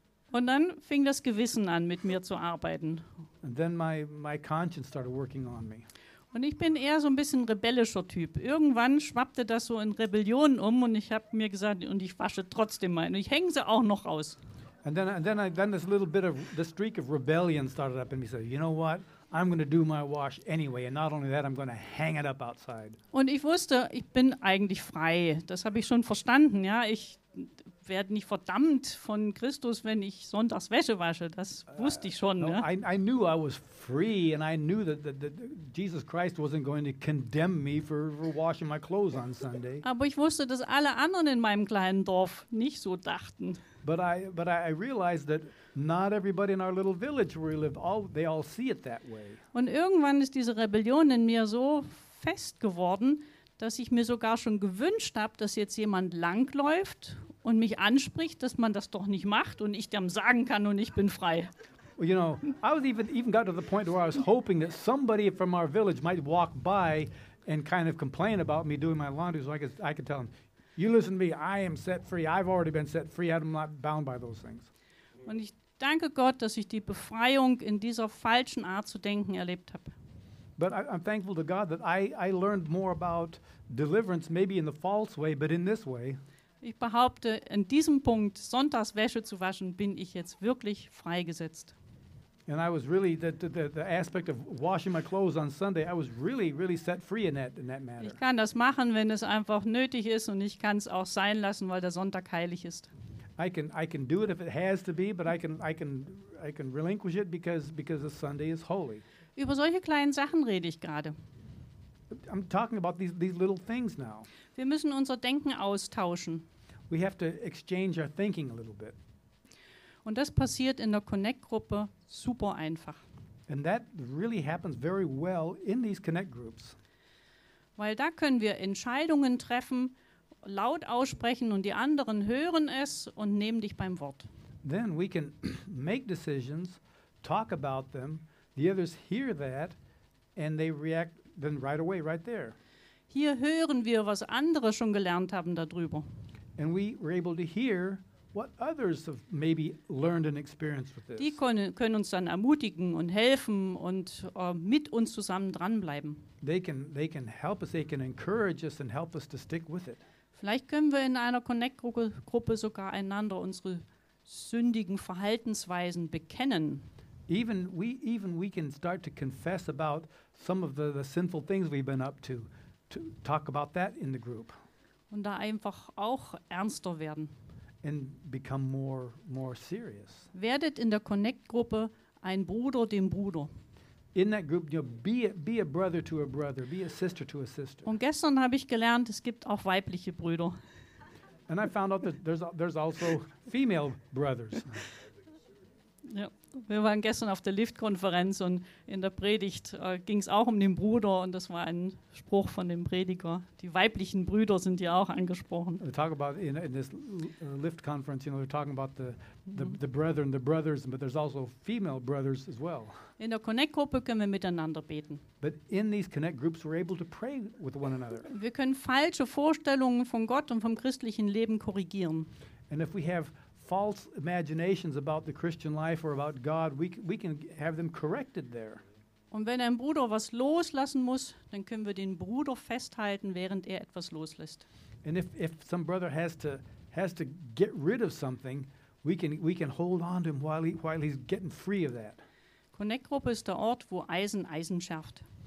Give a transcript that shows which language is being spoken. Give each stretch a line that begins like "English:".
German: Und dann fing das Gewissen an, mit mir zu arbeiten.
English: And then my conscience started working on me.
German: Und ich bin eher so ein bisschen rebellischer Typ. Irgendwann schwappte das so in Rebellion um und ich habe mir gesagt, und ich wasche trotzdem mal. Und ich hänge sie auch noch raus.
English: And then this little bit of the streak of rebellion started up in me. So, you know what? I'm going to do my wash anyway. And not only that, I'm going to hang it up outside.
German: Und ich wusste, ich bin eigentlich frei. Das habe ich schon verstanden. Ja, ich werde nicht verdammt von Christus, wenn ich sonntags Wäsche wasche. Das wusste ich schon. No, ja.
English: I knew I was free and I knew that Jesus Christ wasn't going to condemn me for washing my clothes on Sunday.
German: Aber ich wusste, dass alle anderen in meinem kleinen Dorf nicht so dachten.
English: But I realized that not everybody in our little village where we live, they all see it that way.
German: Und irgendwann ist diese Rebellion in mir so fest geworden, dass ich mir sogar schon gewünscht habe, dass jetzt jemand langläuft und mich anspricht, dass man das doch nicht macht und ich dem sagen kann und ich bin frei.
English: Well, you know, I was even got to the point where I was hoping that somebody from our village might walk by and kind of complain about me doing my laundry, so I could tell them, you listen to me, I am set free. I've already been set free. I'm not bound by those things.
German: Und ich danke Gott, dass ich die Befreiung in dieser falschen Art zu denken erlebt habe.
English: But I'm thankful to God that I learned more about deliverance, maybe in the false way, but in this way.
German: Ich behaupte, an diesem Punkt, sonntags Wäsche zu waschen, bin ich jetzt wirklich freigesetzt.
English: And I was really, the aspect of washing my clothes on Sunday, I was really, really set free in that matter.
German: Ich kann das machen, wenn es einfach nötig ist, und ich kann es auch sein lassen, weil der Sonntag heilig ist.
English: I can do it if it has to be, but I can relinquish it because the Sunday is holy.
German: Über solche kleinen Sachen rede ich gerade.
English: I'm talking about these little things now.
German: Wir müssen unser Denken austauschen.
English: We have to exchange our thinking a little bit.
German: Und das passiert in der Connect-Gruppe super einfach.
English: And that really happens very well in these Connect groups.
German: Weil da können wir Entscheidungen treffen, laut aussprechen und die anderen hören es und nehmen dich beim Wort.
English: Then we can make decisions, talk about them, the others hear that and they react then right away, right there.
German: Hier hören wir, was andere schon gelernt haben darüber.
English: And we were able to hear what others have maybe learned and experienced with this.
German: Die können uns dann ermutigen und helfen und mit uns zusammen dranbleiben.
English: They can help us, they can encourage us and help us to stick with it.
German: Vielleicht können wir in einer Connect-Gruppe sogar einander unsere sündigen Verhaltensweisen bekennen.
English: Even we can start to confess about some of the sinful things we've been up to talk about that in the group.
German: Und da einfach auch ernster werden.
English: And become more serious.
German: Werdet in der Connect-Gruppe ein Bruder dem Bruder.
English: In that group, you know, be a brother to a brother, be a sister to a sister.
German: Und gestern habe ich gelernt, es gibt auch weibliche Brüder.
English: And I found out that there's also female brothers.
German: Ja, wir waren gestern auf der Lift-Konferenz und in der Predigt ging es auch um den Bruder und das war ein Spruch von dem Prediger. Die weiblichen Brüder sind ja auch angesprochen.
English: We talk about in this Lift-Conference, you know, we're talking about the brethren, the brothers, but there's also female brothers as well.
German: In der Connect-Gruppe können wir miteinander beten.
English: But in these Connect groups we're able to pray with one another.
German: Wir können falsche Vorstellungen von Gott und vom christlichen Leben korrigieren.
English: And if we have false imaginations about the Christian life or about God, we can have them corrected there.
German: Und wenn ein Bruder was loslassen muss, dann können wir den Bruder festhalten, während er etwas loslässt.
English: And if some brother has to get rid of something, we can hold on to him while he's getting free of that.
German: Connect-Gruppe ist der Ort, wo Eisen Eisen schärft.